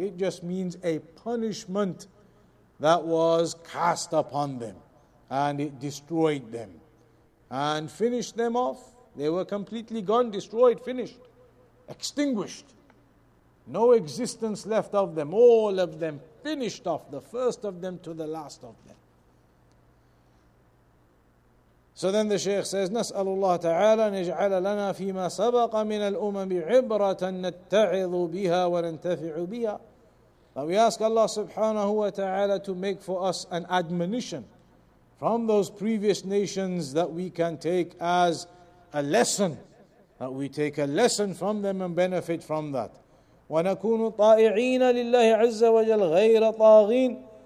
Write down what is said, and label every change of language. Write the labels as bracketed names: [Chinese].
[English] It just means a punishment that was cast upon them, and it destroyed them, and finished them off. They were completely gone, destroyed, finished, extinguished. No existence left of them, all of them finished off, the first of them to the last of them. So then the Shaykh says, [Arabic] نسأل الله تعالى نجعل لنا فيما سبق من الأمم عبرة نتعظ بها وننتفع بها. [English] But we ask Allah subhanahu wa ta'ala to make for us an admonition from those previous nations that we can take as a lesson, that we take a lesson from them and benefit from that. [Arabic] وَنَكُونُ طَائِعِينَ لِلَّهِ عَزَّ وَجَلْ غَيْرَ طَاغِينَ.